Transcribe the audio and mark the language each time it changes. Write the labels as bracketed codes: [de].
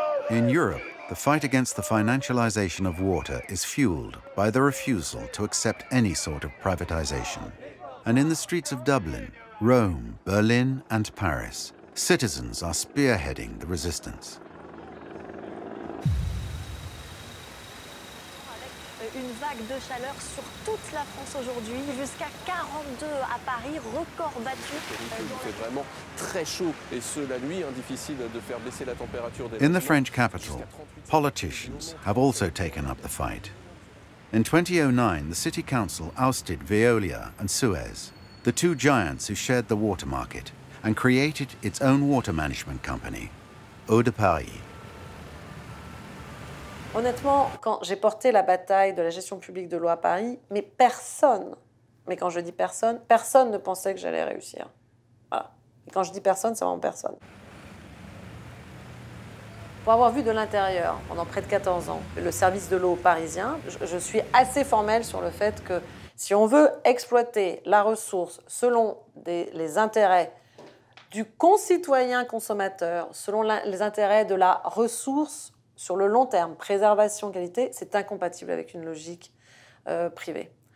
[en] In Europe, the fight against the financialization of water is fueled by the refusal to accept any sort of privatization. And in the streets of Dublin, Rome, Berlin, and Paris, citizens are spearheading the resistance. [fr] une vague de chaleur sur toute la France aujourd'hui, jusqu'à 42 à Paris, record battu. Il fait vraiment très chaud, et ce, la nuit, difficile de faire baisser la température. [en] In the French capital, politicians have also taken up the fight. In 2009, the city council ousted Veolia and Suez, the two giants who shared the water market, and created its own water management company, Eau de Paris. [fr] Honnêtement, quand j'ai porté la bataille de la gestion publique de l'eau à Paris, mais personne, mais quand je dis personne, personne ne pensait que j'allais réussir. Voilà. Et quand je dis personne, c'est vraiment personne. Pour avoir vu de l'intérieur, pendant près de 14 ans, le service de l'eau parisien, je suis assez formelle sur le fait que si on veut exploiter la ressource selon les intérêts du concitoyen consommateur, selon les intérêts de la ressource sur le long terme, préservation, qualité, c'est incompatible avec une logique privée.